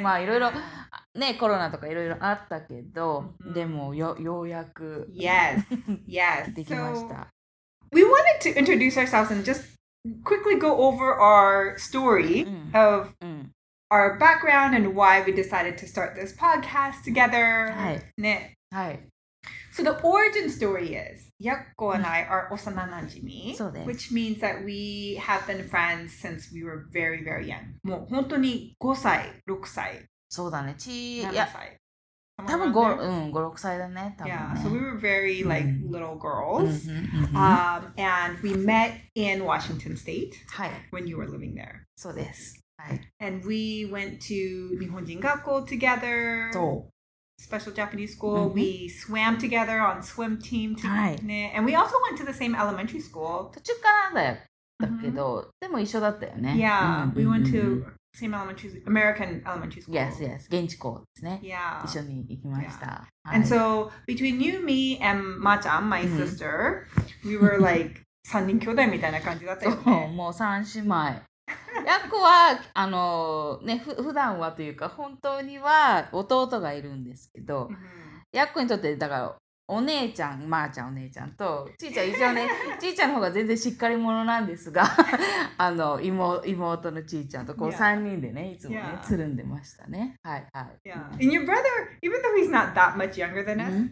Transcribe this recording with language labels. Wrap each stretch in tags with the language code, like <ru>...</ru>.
<ja>まあ、いろいろ、ね、コロナとかいろいろあったけど、mm-hmm. でも、ようやく、</ja> <en>yes. Yes.</en> <ja>できました。</ja> <en>So, we wanted to introduce ourselves and justquickly go over our story、mm. of、mm. our background and why we decided to start this podcast together.</en> <ja>はい、ね、はい。</ja> <en>So the origin story is, Yakko and I are 幼馴染、</en> <ja>そうです。</ja> <en>which means that we have been friends since we were very, very young.</en> <ja>もう本当に5歳、6歳。そうだね。 7歳。多分 5、うん、5、6歳だね、多分ね。</ja> <en>Yeah, so we were very, like,、うん、little girls.、うんうんうん、and we met in Washington State、</en> <ja>はい、</ja> <en>when you were living there.</en> <ja>そうです、はい。</ja> <en>And we went to 日本人学校 together.</en> <ja>そう。</ja> <en>Special Japanese school.、うん、we swam together on swim team.</en> <ja>はい、ね。</ja> <en>And we also went to the same elementary school.</en> <ja>途中からだったけど、mm-hmm. でも一緒だったよね。</ja> <en>Yeah,、うん、we went to...、うんSame elementary, American elementary school. Yes, yes.</en> <ja>現地校ですね。</ja> <en>Yeah.</en> <ja>一緒に行きました。Yeah.</ja> <en>はい、and so, between you, me, and Ma-chan, my sister,、mm-hmm. we were like</en> <ja>三人兄弟みたいな感じだったよね。もう三姉妹。ヤッコは、ね、普段はというか、本当には弟がいるんですけど、ヤッコにとって、だから、お姉ちゃん、まーちゃんお姉ちゃんと、ちーちゃん一応ね、ちーちゃんの方が全然しっかり者なんですが、妹のちーちゃんとこう3人でね、いつもね、</ja> <en>yeah.</en> <ja>つるんでましたね。はいはい。</ja> <en>Yeah. And your brother, even though he's not that much younger than us,、mm-hmm.</en>